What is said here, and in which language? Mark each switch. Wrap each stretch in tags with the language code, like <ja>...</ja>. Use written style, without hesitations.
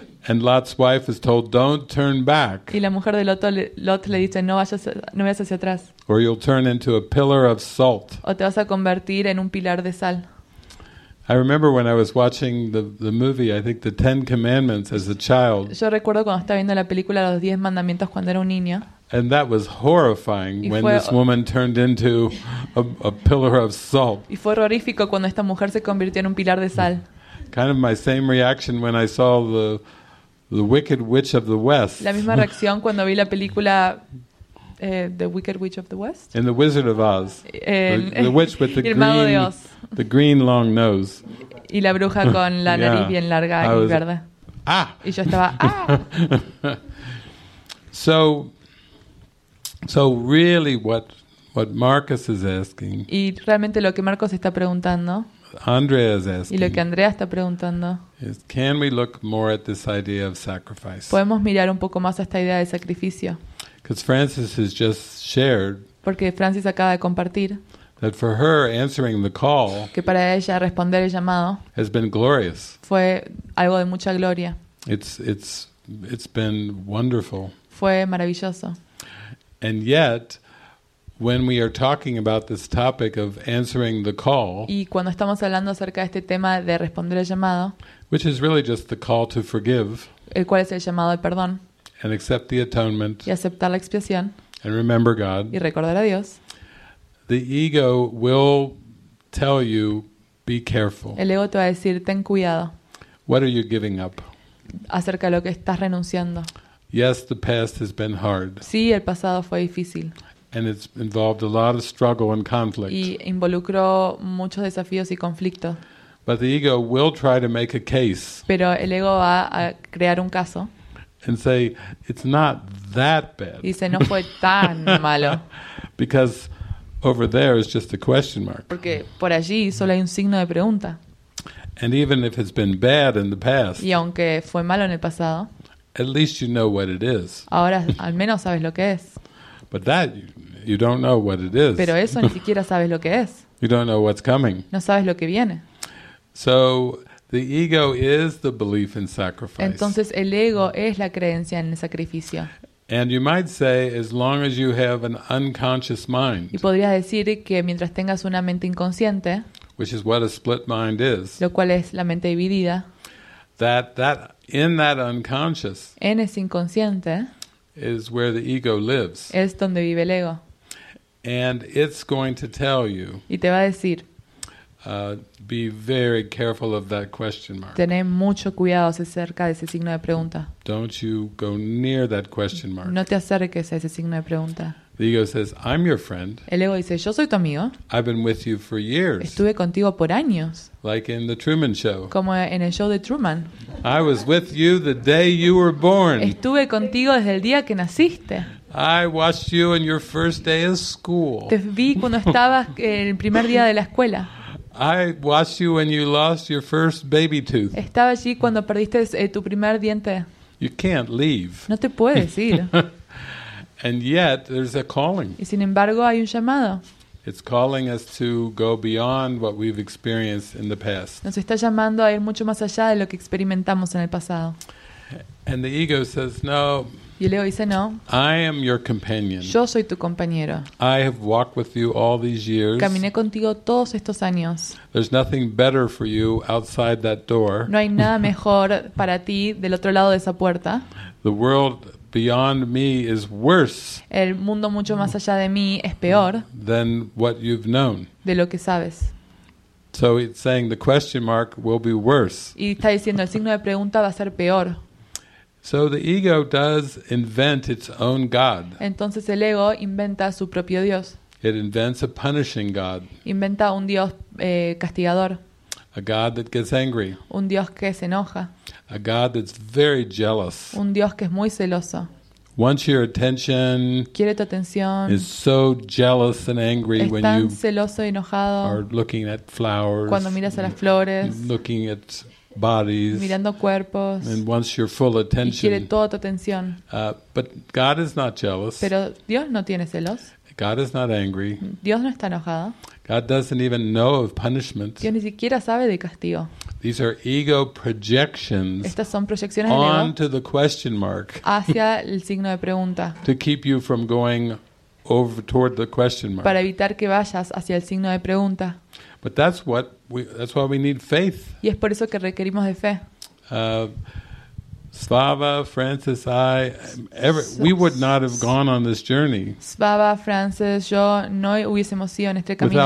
<en>And Lot's wife is told, "Don't turn back."</en> <es>Y la mujer de Lot le dice, no vayas hacia atrás.</es> <en>Or you'll turn into a pillar of salt.</en> <es>O te vas a convertir en un pilar de sal.</es> <en>I remember when I was watching the movie, I think the Ten Commandments as a child.</en> <es>Yo recuerdo cuando estaba viendo la película Los Diez Mandamientos cuando era un niño.</es> <en>And that was horrifying when this woman turned into a pillar of salt.</en> <es>Y fue horrorífico cuando esta mujer se convirtió en un pilar de sal.</es> <en>Kind of my same reaction when I saw the Wicked Witch of the West.</en> <es>La misma reacción cuando vi la película The Wicked Witch of the West.</es> <en>In The Wizard of Oz. The witch with the green. The green long nose.</en> <es>Y la bruja con la nariz bien larga y verde. Ah. Y yo estaba ah.</es> <en>So really what Marcus is asking.</en> <es>Y realmente lo que Marcos está preguntando.</es> <en>Andrea is asking.</en> <es>Y lo que Andrea está preguntando.</es> <en>Is can we look more at this idea of sacrifice?</en> <es>¿Podemos mirar un poco más a esta idea de sacrificio?</es> <en>Because Francis has just shared.</en> <es>Porque Francis acaba de compartir.</es> <en>That for her answering the call,</en> <es>que para ella responder el llamado,</es> <en>has been glorious.</en> <es>Fue algo de mucha gloria.</es> <en>It's been wonderful.</en> <es>Fue maravilloso.</es> <en>And yet, when we are talking about this topic of answering the call,</en> <es>y cuando estamos hablando acerca de este tema de responder el llamado,</es> <en>which is really just the call to forgive,</en> <es>el cual es el llamado al perdón,</es> <en>and accept the atonement,</en> <es>y aceptar la expiación,</es> <en>and remember God,</en> <es>y recordar a Dios.</es> <en>The ego will tell you, be careful.</en> <es>El ego te va a decir, ten cuidado.</es> <en>What are you giving up?</en> <es>Acerca de lo que estás renunciando.</es> <en>Yes, the past has been hard.</en> <es>Sí, el pasado fue difícil.</es> <en>And it's involved a lot of struggle and conflict.</en> <es>Y involucró muchos desafíos y conflictos.</es> <en>But the ego will try to make a case.</en> <es>Pero el ego va a crear un caso.</es> <en>And say, it's not that bad.</en> <es>Dice, no fue tan malo.</es> <en>Because over there is just a question mark.</en> <es>Porque por allí solo hay un signo de pregunta.</es> <en>And even if it's been bad in the past.</en> <es>Y aunque fue malo en el pasado.</es> <en>At least you know what it is.</en> <es>Ahora al menos sabes lo que es.</es> <en>But that you don't know what it is.</en> <es>Pero eso ni siquiera sabes lo que es.</es> <en>You don't know what's coming.</en> <es>No sabes lo que viene.</es> <en>So the ego is the belief in sacrifice.</en> <es>Entonces el ego es la creencia en el sacrificio.</es> <en>And you might say, as long as you have an unconscious mind.</en> <es>Y podrías decir que mientras tengas una mente inconsciente.</es> <en>Which is what a split mind is.</en> <es>Lo cual es la mente dividida.</es> <en>That in that unconscious.</en> <es>En ese inconsciente.</es> <en>Is where the ego lives.</en> <es>Es donde vive el ego.</es> <en>And it's going to tell you.</en> <es>Y te va a decir.</es> <en>Be very careful of that question mark.</en> <es>Tené mucho cuidado acerca de ese signo de pregunta.</es> <en>Don't you go near that question mark.</en> <es>No te acerques a ese signo de pregunta.</es> <en>The ego says, "I'm your friend."</en> <es>El ego dice, "Yo soy tu amigo."</es> <en>I've been with you for years.</en> <es>Estuve contigo por años.</es> <en>Like in the Truman Show.</en> <es>Como en el show de Truman.</es> <en>I was with you the day you were born.</en> <es>Estuve contigo desde el día que naciste.</es> <en>I watched you in your first day of school.</en> <es>Te vi cuando estabas en el primer día de la escuela.</es> <en>I watched you when you lost your first baby tooth.</en> <es>Estaba allí cuando perdiste tu primer diente.</es> <en>You can't leave.</en> <es>No te puedes ir.</es> <en>And yet, there's a calling.</en> <es>Y sin embargo, hay un llamado.</es> <en>It's calling us to go beyond what we've experienced in the past.</en> <es>Nos está llamando a ir mucho más allá de lo que experimentamos en el pasado.</es> <en>And the ego says, no.</en> <es>Y el ego dice, no.</es> <en>I am your companion.</en> <es>Yo soy tu compañero.</es> <en>I have walked with you all these years.</en> <es>Caminé contigo todos estos años.</es> <en>There's nothing better for you outside that door.</en> <es>No hay nada mejor para ti del otro lado de esa puerta.</es> <en>The world beyond me is worse.</en> <es>El mundo mucho más allá de mí es peor.</es> <en>Than what you've known.</en> <es>De lo que sabes.</es> <en>So it's saying the question mark will be worse.</en> <es>Y está diciendo el signo de pregunta va a ser peor.</es> <en>So the ego does invent its own god.</en> <es>Entonces el ego inventa su propio dios.</es> <en>It invents a punishing god.</en> <es>Inventa un dios castigador.</es> <en>A god that gets angry.</en> <es>Un dios que se enoja.</es> <en>A god that's very jealous.</en> <es>Un dios que es muy celoso.</es> <en>Wants your attention.</en> <es>Quiere tu atención.</es> <en>Is so jealous and angry</en> <es>es</es> <en>when</en> <es>tan</es> <en>you</en> <es>celoso y enojado</es> <en>are looking at flowers.</en> <es>Cuando miras a las flores.</es> <en>Looking at bodies,</en> <es>mirando cuerpos,</es> <en>and wants your full attention.</en> <es>Y quiere toda tu atención.</es> <en>But God is not jealous.</en> <es>Pero Dios no tiene celos.</es> <en>God is not angry.</en> <es>Dios no está enojado.</es> <en>God doesn't even know of punishment.</en> <es>Dios ni siquiera sabe de castigo.</es> <en>These are ego projections.</en> <es>Estas son proyecciones</es> <en>onto the question mark.</en> <es>Hacia el signo de pregunta.</es> <en>To keep you from going over toward the question mark.</en> <es>Para evitar que vayas hacia el signo de pregunta.</es> <en>But that's why we need faith.</en> <es>Y es por eso que requerimos de fe.</es> <en>Svava, Francis, I, ever, we would not have gone on this journey.</en> <es>Svava, Francis, yo no hubiésemos ido en este camino.</es>